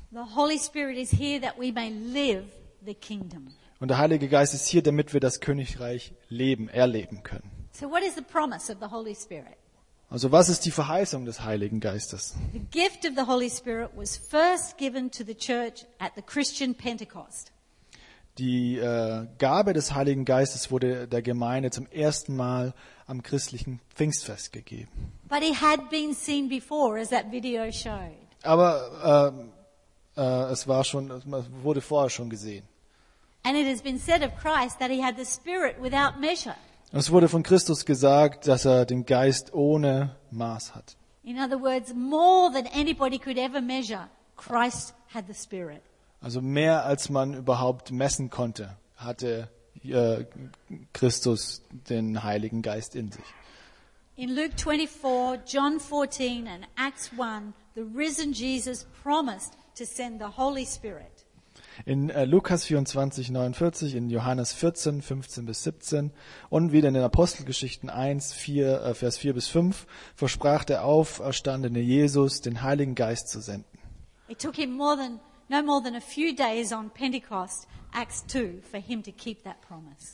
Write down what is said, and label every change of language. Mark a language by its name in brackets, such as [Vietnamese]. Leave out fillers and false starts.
[English] The Holy Spirit is here that we may live the kingdom. [German] Und der Heilige Geist ist hier, damit wir das Königreich erleben können. [English] So what is the promise of the Holy Spirit? [German] Also was ist die Verheißung des Heiligen Geistes? [English] The gift of the Holy Spirit was first given to the church at the Christian Pentecost. [German] Die Gabe des Heiligen Geistes wurde der Gemeinde zum ersten Mal am christlichen Pfingstfest gegeben. [English] But it had been seen before, as that video showed. [German] Aber es wurde vorher schon gesehen. [English] And it has been said of Christ that he had the Spirit without measure. [German] Es wurde von Christus gesagt, dass er den Geist ohne Maß hat. [English] In other words, more than anybody could ever measure, Christ had the Spirit. [German] Also mehr als man überhaupt messen konnte, hatte Christus den Heiligen Geist in sich. [English] In Luke 24, John 14 and Acts 1, the risen Jesus promised to send the Holy Spirit. [German] In Lukas 24, 49, in Johannes 14, 15 bis 17 und wieder in den Apostelgeschichten 1, 4, Vers 4 bis 5 versprach der auferstandene Jesus, den Heiligen Geist zu senden. [English] It took him more than a few days on Pentecost, Acts 2, for him to keep that promise.